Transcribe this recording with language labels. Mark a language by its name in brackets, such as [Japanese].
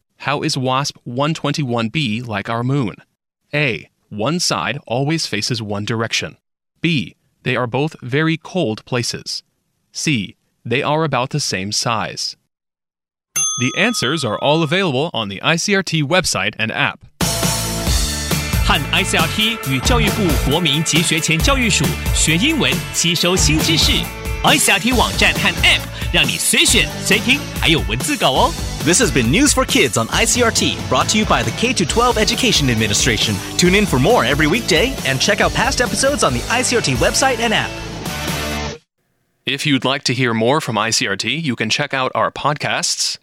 [English] How is WASP-121b like our moon? A. One side always faces one direction. B. They are both very cold places. C. They are about the same size. The answers are all available on the ICRT website and app. [Chinese] 和 ICRT 与教育部国民及学前教育署学英文，吸收新知识。 iXiaoTi 网站和 App， 让你随选随听，还有文字稿哦。 [English] This has been News for Kids on ICRT, brought to you by the K-12 Education Administration. Tune in for more every weekday and check out past episodes on the ICRT website and app. If you'd like to hear more from ICRT, you can check out our podcasts.